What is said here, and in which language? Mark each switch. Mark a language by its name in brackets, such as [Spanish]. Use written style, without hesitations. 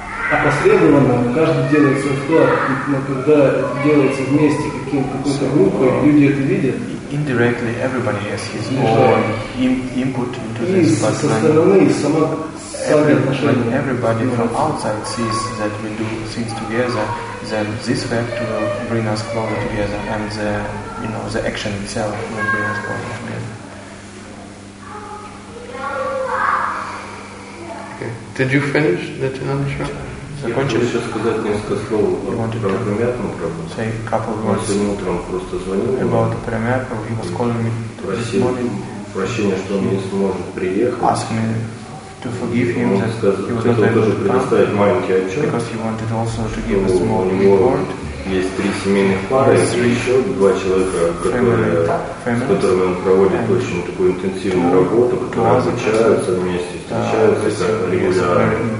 [Russian] Опосредованно каждый делает свой вклад, но когда это делается вместе какой-то группой, люди это видят. [English] Indirectly, everybody has his own input into this. But when everybody from outside sees that we do things together, then this fact will bring us closer together, and the, you know, the action itself will bring us closer together. Did you finish that answer? [Russian] Закончили. Сейчас сказать несколько слов про Парамятму Прабху. Он сегодня утром просто звонил [English] About Парамятму, he was calling me this morning. [Russian] Прощение, что он не сможет приехать. [English] Asked me to forgive him that he was not able to come. Because he wanted also to give a small report. [Russian] Есть 3 семейных пары, и еще 2 человека, с которыми он проводит очень такую интенсивную работу, которые обучаются вместе, встречаются регулярно.